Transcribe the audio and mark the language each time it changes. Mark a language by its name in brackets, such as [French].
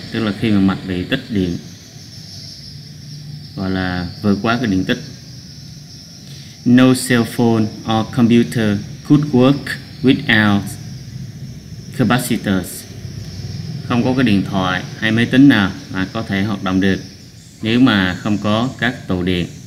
[Vietnamese] Tức là khi mà mạch bị tích điện gọi là vượt quá cái điện tích. [English] No cell phone or computer could work without capacitors. [Vietnamese] Không có cái điện thoại hay máy tính nào mà có thể hoạt động được nếu mà không có các tụ điện.